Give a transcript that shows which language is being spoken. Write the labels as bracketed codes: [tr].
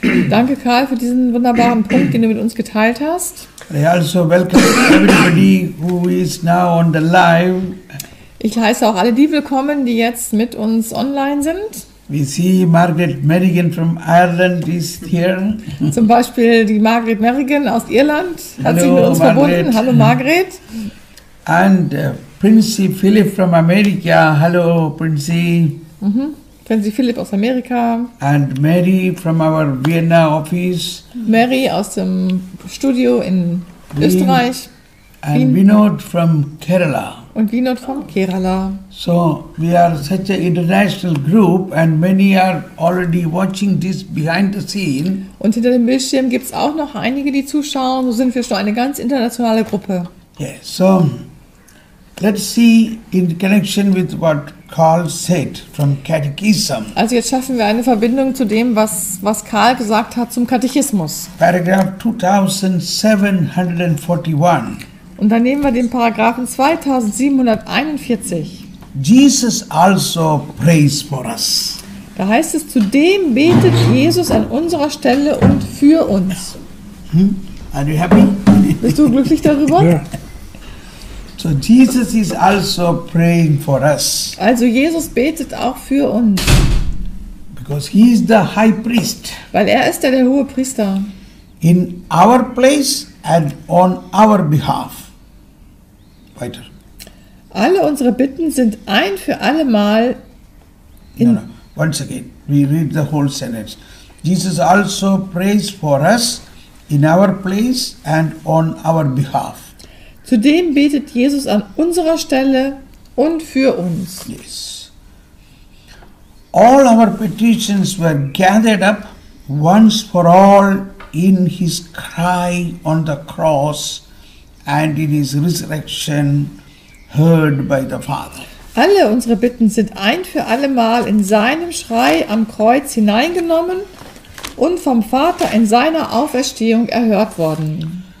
[de] Danke, Karl, für diesen wunderbaren Punkt, den du mit uns geteilt hast. [en] I also welcome everybody who is now on the live. [de] Ich heiße auch alle die willkommen, die jetzt mit uns online sind. [en] We see Margaret Merrigan from Ireland is here. [de] Zum Beispiel die Margaret Merrigan aus Irland hat sich mit uns verbunden. Hallo, Margaret. [en] And Prince Philip from America. [de] Hallo, Prince. Prinzi Philipp aus Amerika. [en] And Mary from our Vienna office. [de] Mary aus dem Studio in Österreich. [en] And Vinod from Kerala. [de] Und Vinod von Kerala. [en] So we are such an international group and many are already watching this behind the scene. [de] Und hinter dem Bildschirm gibt es auch noch einige, die zuschauen. So sind wir schon eine ganz internationale Gruppe. [en] Yeah, so let's see in connection with what Karl said from Catechism. [de] Also jetzt schaffen wir eine Verbindung zu dem, was Karl gesagt hat zum Katechismus. [en] Paragraph 2741. [de] Und dann nehmen wir den Paragraphen 2741. [en] Jesus also prays for us. [de] Da heißt es, zudem betet Jesus an unserer Stelle und für uns. [en] Are you happy? [de] Bist du glücklich darüber? Ja. [en] So Jesus is also praying for us. [de] Also Jesus betet auch für uns. [en] Because he is the high priest. [de] Weil er ist der hohe Priester. [en] In our place and on our behalf. [de] Weiter. Alle unsere Bitten sind ein für alle Mal. [en] Once again, we read the whole sentence. Jesus also prays for us in our place and on our behalf. [de] Zudem betet Jesus an unserer Stelle und für uns. [en] Yes. All our petitions were gathered up once for all in his cry on the cross and in his resurrection heard by the Father. [de] Alle unsere Bitten sind ein für alle Mal in seinem Schrei am Kreuz hineingenommen und vom Vater in seiner Auferstehung erhört worden.